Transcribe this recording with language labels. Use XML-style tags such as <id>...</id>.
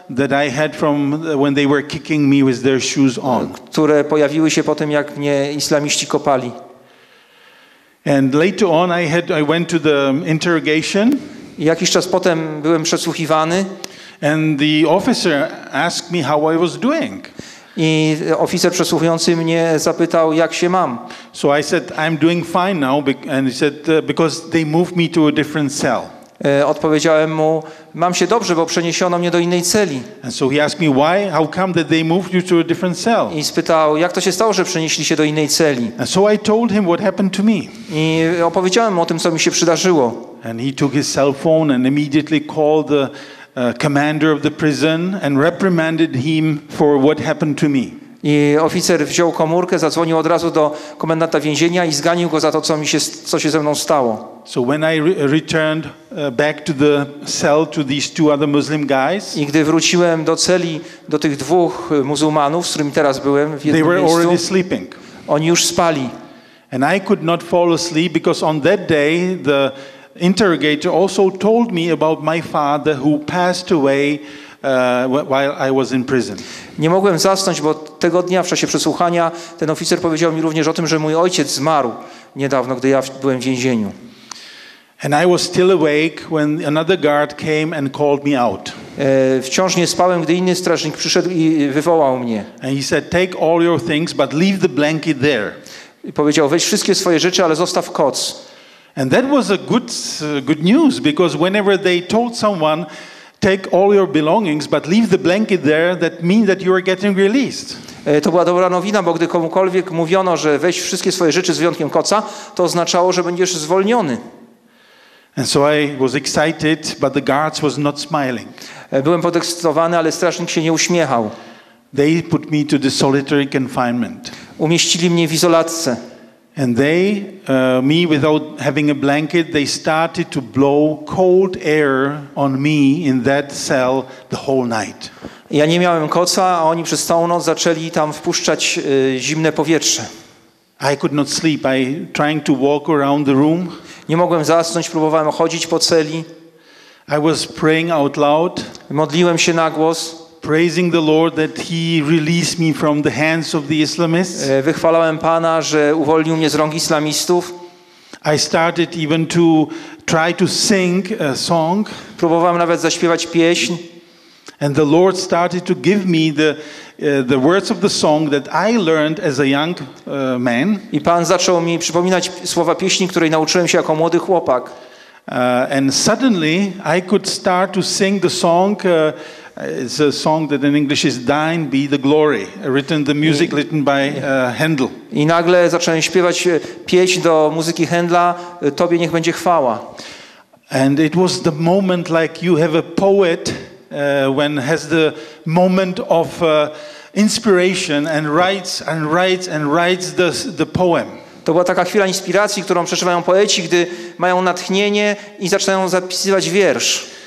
<en>That I had from when they were kicking me with their shoes on.</en> <pl>Które pojawiły się potem, jak mnie islamiści kopali.</pl> <en>And later on I went to the interrogation.</en> <pl>I jakiś czas potem byłem przesłuchiwany.</pl> <en>And the officer asked me how I was doing.</en> <pl>I oficer przesłuchujący mnie zapytał, jak się mam.</pl> <en>So I said I'm doing fine now and he said because they moved me to a different cell.</en> <pl>Odpowiedziałem mu, mam się dobrze, bo przeniesiono mnie do innej celi.</pl> <en>And so he asked me why, how come that they moved you to a different cell.</en> <pl>I spytał, jak to się stało, że przenieśli się do innej celi.</pl> <en>And so I told him what happened to me.</en> <pl>I opowiedziałem mu o tym, co mi się przydarzyło.</pl> <en>And he took his cell phone and immediately called the commander of the prison and reprimanded him for what happened to me.</en> <pl>I oficer wziął komórkę, zadzwonił od razu do komendanta więzienia i zganił go za to, co się ze mną stało.</pl> <en>So when I returned back to the cell to these two other Muslim guys.</en> <pl>I gdy wróciłem do celi do tych dwóch muzułmanów, z którymi teraz byłem w jednym miejscu.</pl> <en>They were already sleeping.</en> <pl>Oni już spali.</pl> <en>And I could not fall asleep because on that day the interrogator also told me about my father who passed away while I was in prison.</en> <pl>Nie mogłem zasnąć, bo tego dnia w czasie przesłuchania ten oficer powiedział mi również o tym, że mój ojciec zmarł niedawno, gdy ja byłem w więzieniu.</pl> <en>And I was still awake when another guard came and called me out.</en> <pl>Wciąż nie spałem, gdy inny strażnik przyszedł i wywołał mnie.</pl> <en>And he said, "Take all your things, but leave the blanket there."</en> <pl>I powiedział, weź wszystkie swoje rzeczy, ale zostaw koc.</pl> <en>And that was a good news because whenever they told someone, "Take all your belongings, but leave the blanket there," that means that you are getting released.</en> <pl>To była dobra nowina, bo gdy komukolwiek mówiono, że weź wszystkie swoje rzeczy z wyjątkiem koca, to oznaczało, że będziesz zwolniony.</pl> <en>And so I was excited, but the guards was not smiling.</en> <pl>Byłem podekscytowany, ale strażnik się nie uśmiechał.</pl> <en>They put me to the solitary confinement.</en> <pl>Umieścili mnie w izolatce.</pl> <en>And they, me without having a blanket, they started to blow cold air on me in that cell the whole night.</en> <pl>Ja nie miałem koca, a oni przez całą noc zaczęli tam wpuszczać zimne powietrze.</pl> <en>I could not sleep. I trying to walk around the room.</en> <pl>Nie mogłem zasnąć, próbowałem chodzić po celi.</pl> <en>I was praying out loud.</en> <pl>Modliłem się na głos.</pl> <en>Praising the Lord that he released me from the hands of the Islamists.</en> <pl>Wychwalałem Pana, że uwolnił mnie z rąk islamistów.</pl> <en>I started even to try to sing a song.</en> <pl>Próbowałem nawet zaśpiewać pieśń.</pl> <en>And the Lord started to give me the words of the song that I learned as a young man.</en> <pl>I Pan zaczął mi przypominać słowa pieśni, której nauczyłem się jako młody chłopak.</pl> <en>And suddenly I could start to sing the song. It's a song that in English is "Thine Be the Glory," written the music written by Handel.</en> <pl>I nagle zacząłem śpiewać pieśń do muzyki Handla. Tobie niech będzie chwała.</pl> <en>And it was the moment like you have a poet when has the moment of inspiration and writes and writes and writes the poem.</en> <pl>To była taka chwila inspiracji, którą przeżywają poeci, gdy mają natchnienie i zaczynają zapisywać wiersz.</pl>